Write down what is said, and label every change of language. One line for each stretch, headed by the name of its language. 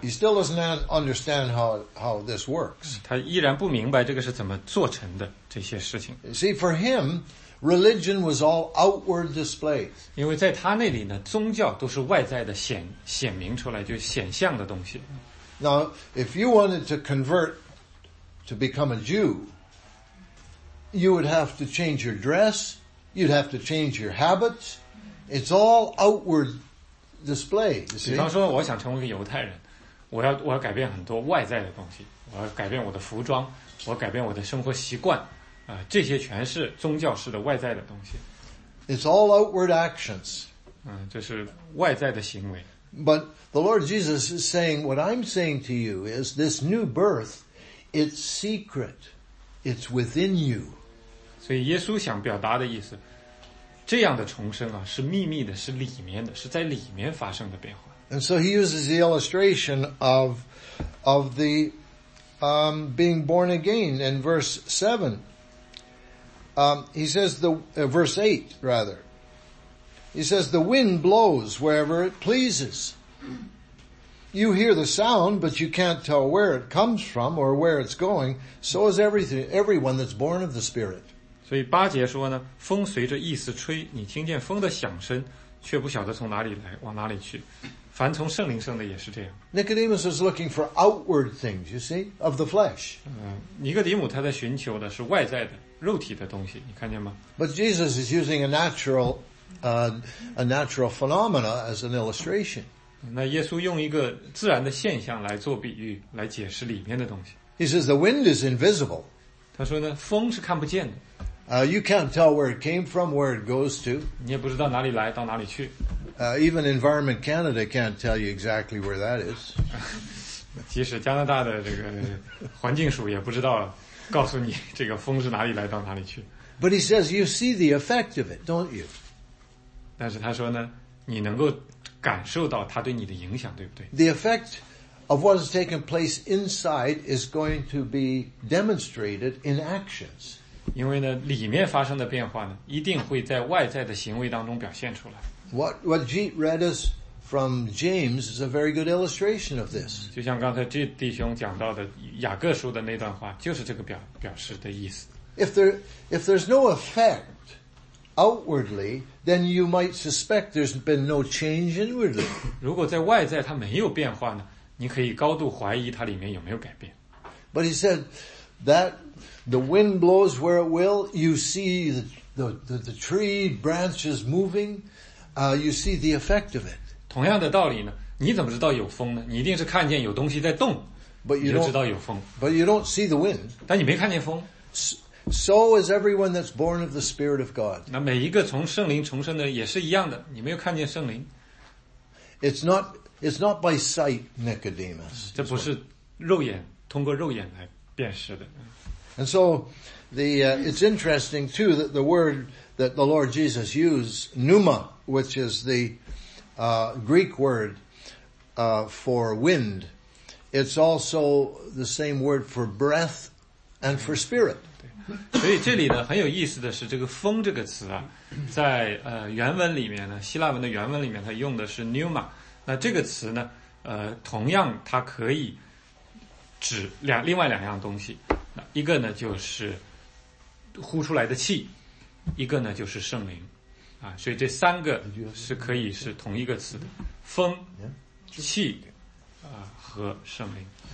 English: He still doesn't understand how this works.
Chinese: 他依然不明白这个是怎么做成的, 这些事情。
English: See, for him, religion was all outward display.
Chinese: 因为在他那里呢, 宗教都是外在的显明出来, 就显象的东西。
English: Now, if you wanted to convert to become a Jew, you would have to change your dress, you'd have to change your habits, it's all outward display.
Chinese: 比方说我想成为一个犹太人, 我要改变很多外在的东西, 我要改变我的服装, 我改变我的生活习惯, 这些全是宗教式的外在的东西。
English: It's all outward actions.
Chinese: 这是外在的行为。
English: But the Lord Jesus is saying, what I'm saying to you is this new birth, it's secret. It's within you.
Chinese: 所以耶稣想表达的意思, 这样的重生啊, 是秘密的, 是里面的, 是在里面发生的变化。
English: And so he uses the illustration of the being born again in verse 7. He says verse 8 rather. He says the wind blows wherever it pleases. You hear the sound, but you can't tell where it comes from or where it's going. So is everyone that's born of the Spirit.
Chinese: 所以八节说呢, 风随着意思吹, 你听见风的响声, 却不晓得从哪里来, 往哪里去, 凡从圣灵生的也是这样。
English: Nicodemus is looking for outward things, you see, of the flesh.
Chinese: 尼哥底母他在寻求的是外在的, 肉体的东西, 你看见吗?
English: But Jesus is using a natural phenomena as an illustration.
Chinese: 那耶稣用一个自然的现象来做比喻, 来解释里面的东西。
English: He says the wind is invisible.
Chinese: 他说呢, 风是看不见的。
English: You can't tell where it came from, where it goes to.
Chinese: 你也不知道哪里来, 到哪里去。
English: Even Environment Canada can't tell you exactly where that is.
Chinese: 即使加拿大的这个环境署也不知道告诉你这个风是哪里来, 到哪里去。
English: But he says, you see the effect of it, don't you?
Chinese: 但是他说呢, 你能够感受到它对你的影响, 对不对?
English: The effect of what has taken place inside is going to be demonstrated in actions.
Chinese: 因为呢，里面发生的变化呢，一定会在外在的行为当中表现出来。
English: What Jeet read us from James is a very good illustration of this.
Chinese: 就像刚才 Jeet 弟兄讲到的雅各书的那段话，就是这个表示的意思。
English: If there's no effect outwardly, then you might suspect there's been no change inwardly.
Chinese: 如果在外在它没有变化呢，你可以高度怀疑它里面有没有改变。
English: But he said that. The wind blows where it will. You see the tree branches moving. You see the effect of it.
Chinese: 同样的道理呢，你怎么知道有风呢？你一定是看见有东西在动，你就知道有风。
English: But you don't see the wind.
Chinese: 但你没看见风。
English: So is everyone that's born of the Spirit of God.
Chinese: 那每一个从圣灵重生的也是一样的，你没有看见圣灵。
English: It's not by sight, Nicodemus.
Chinese: 这不是肉眼通过肉眼来辨识的。
English: And so, it's interesting too that the word that the Lord Jesus used, pneuma, which is the, Greek word, for wind, it's also the same word for breath and for spirit.
Chinese: 所以这里呢，很有意思的是这个风这个词啊，在原文里面呢，希腊文的原文里面它用的是 pneuma, 那这个词呢，同样它可以指另外两样东西。一个呢就是呼出来的气，一个呢就是圣灵，啊，所以这三个是可以是同一个词的，风、气，和圣灵。